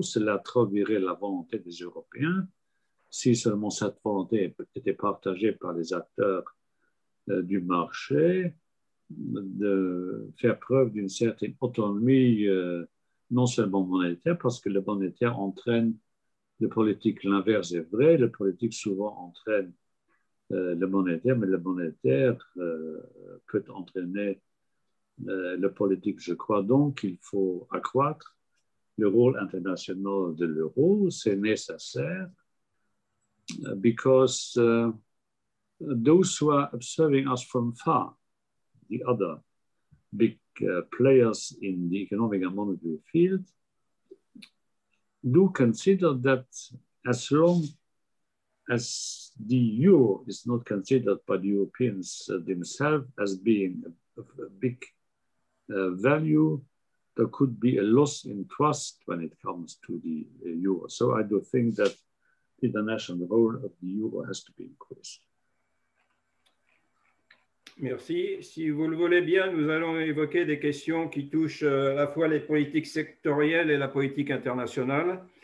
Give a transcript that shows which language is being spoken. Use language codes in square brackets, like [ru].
[fr] Cela traduirait la volonté des Européens, si seulement cette volonté était partagée par les acteurs du marché, de faire preuve d'une certaine autonomie, non seulement monétaire, parce que le monétaire entraîne le politique. L'inverse est vrai, le politique souvent entraîne le monétaire, mais le monétaire peut entraîner le politique. Je crois donc qu'il faut accroître le rôle international de l'euro. C'est nécessaire, [en] because those who are observing us from far, the other big players in the economic and monetary field, do consider that as long as the euro is not considered by the Europeans themselves as being a big value, there could be a loss in trust when it comes to the euro. So I do think that the international role of the euro has to be increased. [fr] Merci. Si vous le voulez bien, nous allons évoquer des questions qui touchent à la fois les politiques sectorielles et la politique internationale.